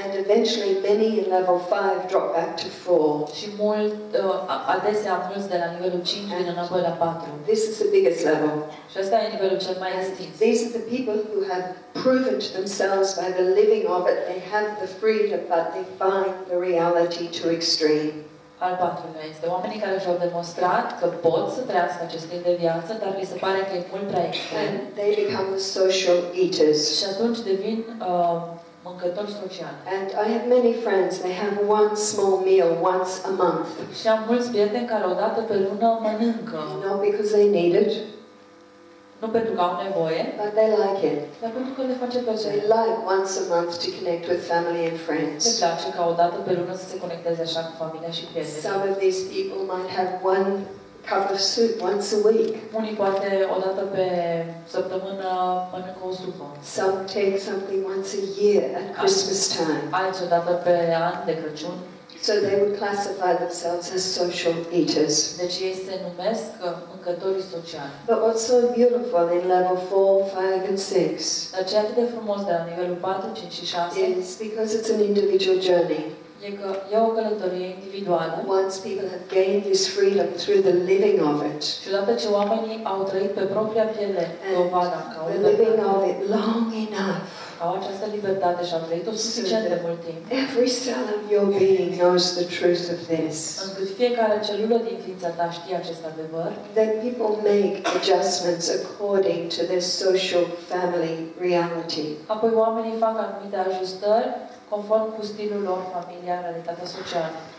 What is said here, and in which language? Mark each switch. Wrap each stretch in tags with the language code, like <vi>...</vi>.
<en>And eventually many in level 5 drop back to 4.</en> <ro>Și adesea mulți de la nivelul 5 vin înapoi la 4.</ro> <en>This is the biggest level.</en> <ro>Și ăsta e nivelul cel mai extins.</ro> <en>These are the people who have proven to themselves by the living of it, they have the freedom, but they find the reality too extreme.</en> <ro>Al patrulea este oamenii care și-au demonstrat că pot să trăiască acest stil de viață, dar li se pare că e mult prea extrem.</ro> <en>And they become the social eaters.</en> <ro>Și atunci devin mâncători sociali.</ro> <en>And I have many friends, they have one small meal once a month.</en> <ro>Și am mulți prieteni care odată pe lună mănâncă.</ro> <en>Not because they need it.</en> <ro>Nu pentru că au nevoie,</ro> <en>but they like it.</en> <ro>Dar pentru că le face plăcere.</ro> <en>They like once a month to connect with family and friends.</en> <ro>Le place ca o dată pe lună să se conecteze așa cu familia și prietenii.</ro> <en>Some of these people might have one cup of soup once a week.</en> <ro>Unii poate o dată pe săptămână mănâncă o supă.</ro> <en>Some take something once a year at Christmas time.</en> <ro>Alții o dată pe an de Crăciun.</ro> <en>So they would classify themselves as social eaters.</en> <ro>Deci ei se numesc mâncători sociali.</ro> <en>But what's so beautiful in level 4, 5 and 6?</en> <ro>Dar ce atât de frumos de la nivelul 4, 5 și 6?</ro> <en>It's because it's an individual journey.</en> <ro>E că e o călătorie individuală.</ro> <en>Once people have gained this freedom through the living of it.</en> <ro>Și odată ce oamenii au trăit pe propria piele dovada că au trăit</ro> <en>living of it long enough.</en> <ro>Au această libertate și au trăit o suficient de mult timp.</ro> <en>Every cell of your being knows the truth of this.</en> <ro>Încât fiecare celulă din ființa ta știe acest adevăr.</ro> <en>That people make adjustments according to their social family reality.</en> <ro>Apoi oamenii fac anumite ajustări conform cu stilul lor familial, realitatea socială.</ro>